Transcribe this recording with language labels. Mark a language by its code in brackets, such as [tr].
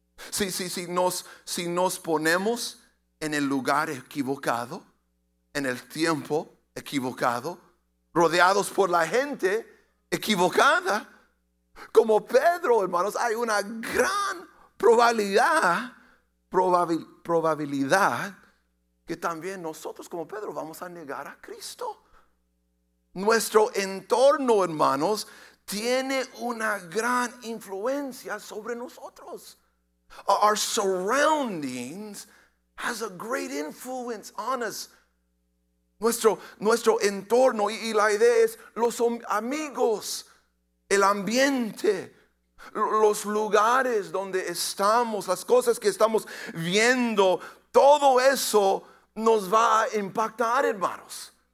[es] Si nos ponemos en el lugar equivocado, en el tiempo equivocado, rodeados por la gente equivocada, como Pedro, hermanos, hay una gran probabilidad que también nosotros como Pedro vamos a negar a Cristo. Nuestro entorno, hermanos, tiene una gran influencia sobre nosotros. [en] Our surroundings has a great influence on us. [es] Nuestro entorno, y la idea es los amigos, el ambiente, los lugares donde estamos, las cosas que estamos viendo, todo eso nos va a impactar, hermanos.